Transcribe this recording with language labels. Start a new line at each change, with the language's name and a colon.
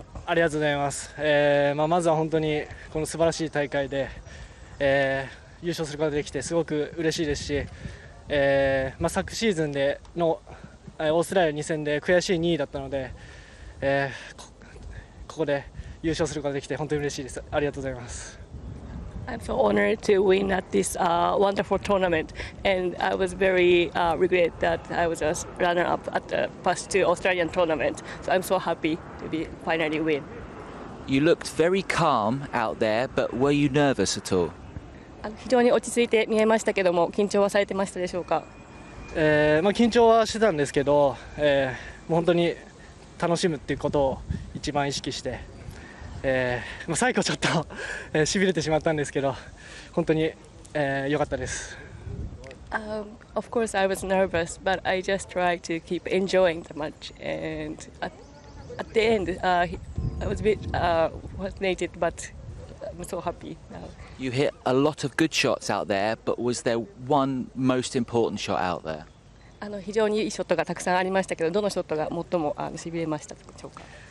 Japanese: ありがとうございます。まあ、まずは本当にこの素晴らしい大会で、優勝することができてすごく嬉しいですし、まあ、昨シーズンでのオーストラリア2戦で悔しい2位だったので、ここで優勝することができて本当に嬉しいです。ありがとうございます。
English: I'm so honored to win at this wonderful tournament, and I was very regret that I was a runner-up at the past two Australian tournaments. So I'm so happy to be finally win. You looked very calm out there, but were you nervous at all?
Japanese: 非常に落ち着いて見えましたけども、緊張はされてましたでしょうか？まあ緊張はしてたんですけど、もう本当に楽しむっていうことを一番意識して。まあ、最後ちょっと痺れてしまったんですけど、本当に良かったです。
English: Of course I was nervous, but I just tried to keep enjoying the match. And at the end, I was a bit fascinated, but I'm so happy now. You hit a lot of good shots out there, but was there one most important shot out there?
Japanese: 非常に良いショットがたくさんありましたけど、どのショットが最も痺れましたでしょうか？